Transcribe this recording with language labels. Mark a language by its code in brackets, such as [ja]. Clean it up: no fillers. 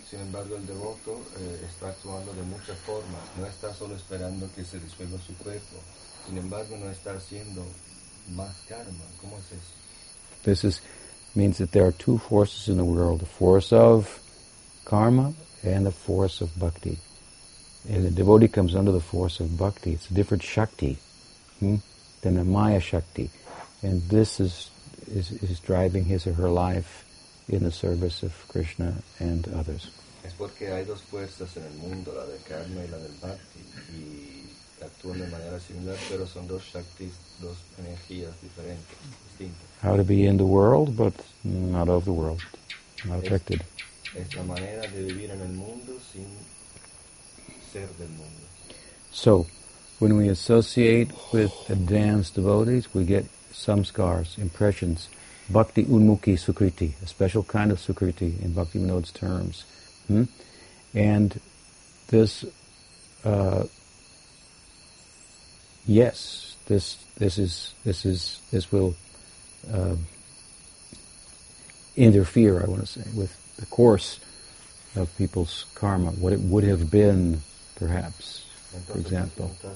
[es] Sin embargo, el devoto está actuando de muchas formas. No está solo esperando que se disuelva su cuerpo. Sin embargo, no está haciendo más karma. ¿Cómo es eso? [en] This means that there are two forces in the world, the force of karma and the force of bhakti. And the devotee comes under the force of bhakti. It's a different shakti than a maya shakti. And this is driving his or her life in the service of Krishna and others. [es] Es porque hay dos fuerzas en el mundo, la del karma y la del bhakti, y actúan de manera similar, pero son dos shaktis, dos energías diferentes, distintas. [en] How to be in the world, but not of the world, not affected. [es] Es la manera de vivir en el mundo sin ser del mundo. [en] So, when we associate with advanced devotees, we get samskaras, impressions. Bhakti unmukhi sukriti, a special kind of sukriti in Bhakti Vinod's terms. And this, this will interfere, I want to say, with the course of people's karma, what it would have been, perhaps, for example.